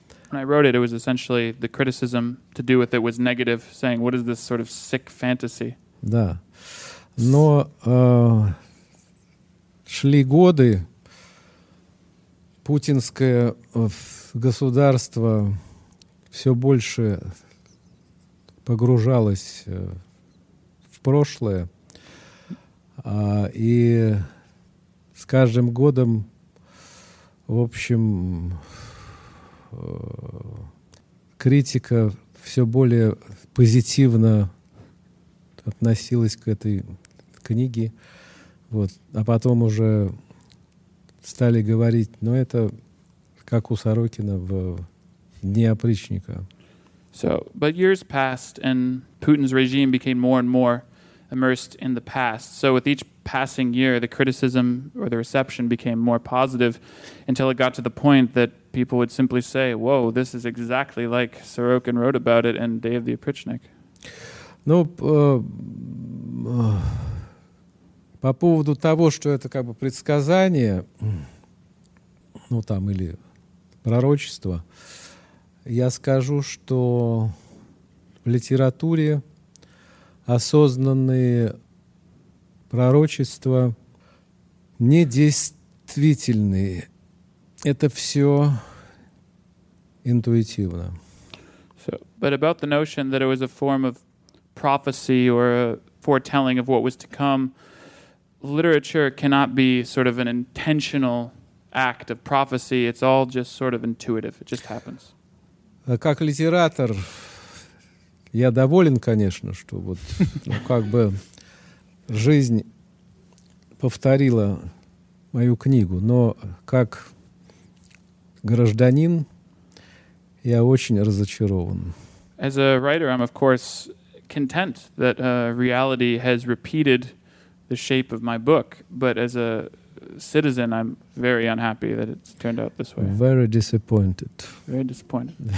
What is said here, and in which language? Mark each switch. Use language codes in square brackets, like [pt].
[en] When I wrote it, it was essentially the criticism to do with it was negative, saying, what is this sort of sick fantasy? [ru] Да. Но шли годы, путинское государство все больше погружалось в прошлое, и с каждым годом, в общем, критика все более позитивно относилась к этой книге. Вот. А потом уже стали говорить, ну, это как у Сорокина в «Дни опричника». [en] So, but years passed, and Putin's regime became more and more immersed in the past. So with each passing year, the criticism or the reception became more positive until it got to the point that people would simply say, whoa, this is exactly like Sorokin wrote about it in «Day of the Oprichnik». [ru] Ну, по поводу того, что это как бы предсказание, ну, там, или пророчество, я скажу, что в литературе осознанные пророчества недействительные. Это все интуитивно. [en] So, but about the notion that it was a form of prophecy or a foretelling of what was to come, literature cannot be sort of an intentional act of prophecy. It's all just sort of intuitive. It just happens. [ru] Как литератор, я доволен, конечно, что вот, ну, как бы жизнь повторила мою книгу, но как гражданин я очень разочарован. [en] As a writer, I'm of course content that reality has repeated the shape of my book, but as a citizen, I'm very unhappy that it's turned out this way. Very disappointed. Very disappointed.